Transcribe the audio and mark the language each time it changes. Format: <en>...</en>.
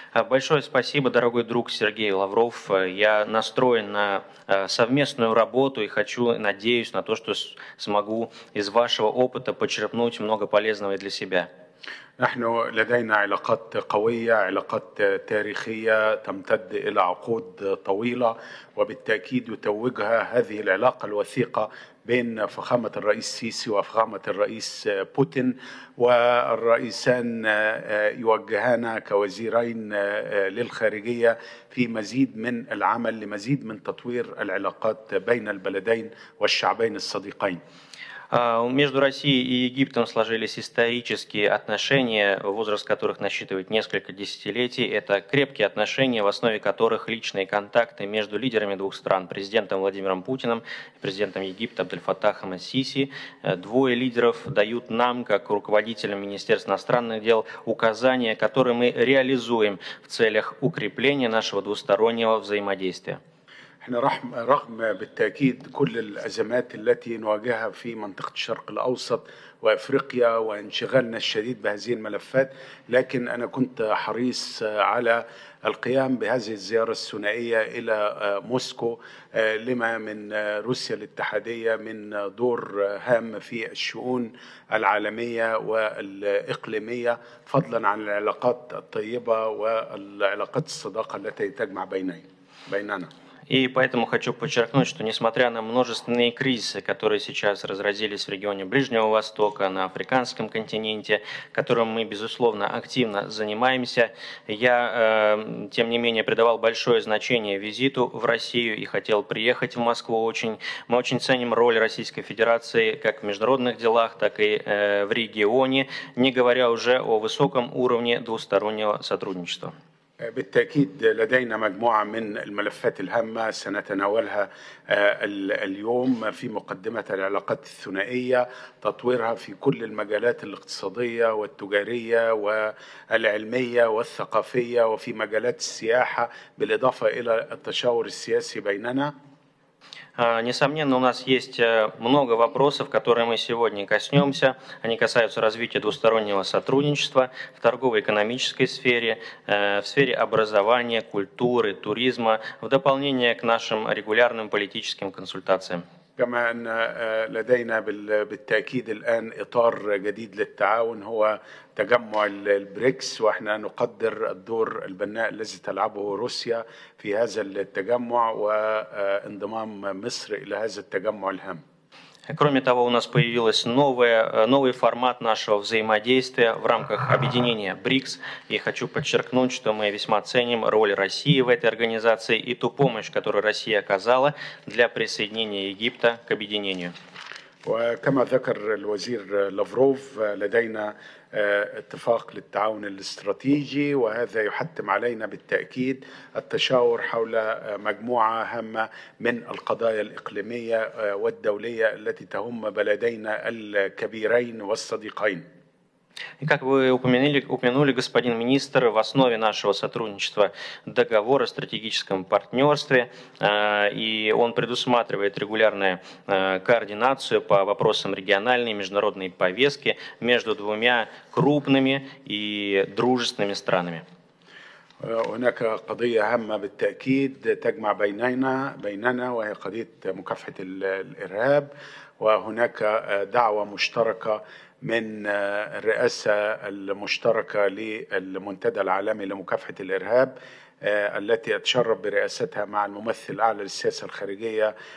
<ru>Большое спасибо, дорогой друг Сергей Лавров. Я настроен на совместную работу и хочу, надеюсь на то, что смогу из вашего опыта почерпнуть много полезного для себя.</ru> <ar>نحن لدينا علاقات قوية، علاقات تاريخية تمتد إلى عقود طويلة، وبالتأكيد يتوجها هذه العلاقة الوثيقة بين فخامة الرئيس السيسي وفخامة الرئيس بوتين، والرئيسان يوجهانا كوزيرين للخارجية في مزيد من العمل لمزيد من تطوير العلاقات بين البلدين والشعبين الصديقين.</ar> <ru>Между Россией и Египтом сложились исторические отношения, возраст которых насчитывает несколько десятилетий. Это крепкие отношения, в основе которых личные контакты между лидерами двух стран, президентом Владимиром Путиным и президентом Египта Абдель-Фатахом Ас-Сиси. Двое лидеров дают нам, как руководителям Министерства иностранных дел, указания, которые мы реализуем в целях укрепления нашего двустороннего взаимодействия.</ru> <ar>احنا رغم بالتأكيد كل الأزمات التي نواجهها في منطقة الشرق الأوسط وأفريقيا وانشغالنا الشديد بهذه الملفات لكن أنا كنت حريص على القيام بهذه الزيارة الثنائية إلى موسكو لما من روسيا الاتحادية من دور هام في الشؤون العالمية والإقليمية فضلا عن العلاقات الطيبة والعلاقات الصداقة التي تجمع بيننا.</ar> <ru>И поэтому хочу подчеркнуть, что несмотря на множественные кризисы, которые сейчас разразились в регионе Ближнего Востока, на Африканском континенте, которым мы, безусловно, активно занимаемся, я, тем не менее, придавал большое значение визиту в Россию и хотел приехать в Москву. Мы очень ценим роль Российской Федерации как в международных делах, так и в регионе, не говоря уже о высоком уровне двустороннего сотрудничества.</ru> <ar>بالتأكيد لدينا مجموعة من الملفات الهامة سنتناولها اليوم في مقدمة العلاقات الثنائية تطويرها في كل المجالات الاقتصادية والتجارية والعلمية والثقافية وفي مجالات السياحة بالإضافة إلى التشاور السياسي بيننا.</ar> <ru>Несомненно, у нас есть много вопросов, которые мы сегодня коснемся. Они касаются развития двустороннего сотрудничества в торгово-экономической сфере, в сфере образования, культуры, туризма, в дополнение к нашим регулярным политическим консультациям.</ru> <ar>كما أن لدينا بالتأكيد الآن إطار جديد للتعاون هو تجمع البريكس وإحنا نقدر الدور البناء الذي تلعبه روسيا في هذا التجمع وانضمام مصر إلى هذا التجمع الهام.</ar> <ru>Кроме того, у нас появился новый формат нашего взаимодействия в рамках объединения БРИКС. И хочу подчеркнуть, что мы весьма ценим роль России в этой организации и ту помощь, которую Россия оказала для присоединения Египта к объединению.</ru> <ar>وكما ذكر الوزير لافروف لدينا اتفاق للتعاون الاستراتيجي وهذا يحتم علينا بالتأكيد التشاور حول مجموعة هامة من القضايا الإقليمية والدولية التي تهم بلدينا الكبيرين والصديقين.</ar> <ru>И как вы упомянули, господин министр, в основе нашего сотрудничества договор о стратегическом партнерстве, и он предусматривает регулярную координацию по вопросам региональной и международной повестки между двумя крупными и дружественными странами.</ru> <ar>هناك قضية هامة بالتأكيد تجمع بيننا وهي قضية مكافحة الإرهاب وهناك دعوة مشتركة من الرئاسة المشتركة للمنتدى العالمي لمكافحة الإرهاب التي اتشرف برئاستها مع الممثل الأعلى للسياسة الخارجية</ar>